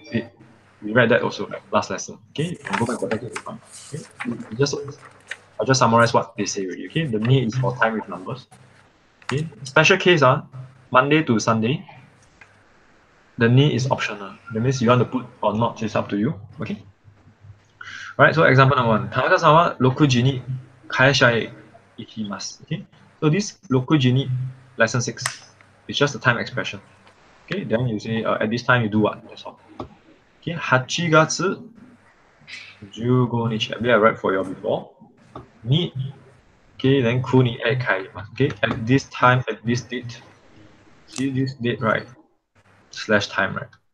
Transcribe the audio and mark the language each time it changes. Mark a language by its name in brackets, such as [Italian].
[English] Okay, we read that also, right? Last lesson. Okay, you can go back to that. Okay, I'll just summarize what they say already. Okay, the need is for time with numbers. Okay, special case Monday to Sunday, the need is optional. That means you want to put or not, it's up to you. Okay. Right, so example number one. [Japanese] 田中さんは 6時 に 会社へ 行きます. [English] Okay? So this [Japanese] 6時 に, [English] lesson 6, it's just a time expression. Okay, then you say, at this time you do what? That's all. Okay, 8月 15日, I believe I read for you before. に, okay, then [Japanese] 9時へ 帰ります. [English] Okay, at this time, at this date. See this date, right? Slash time, right?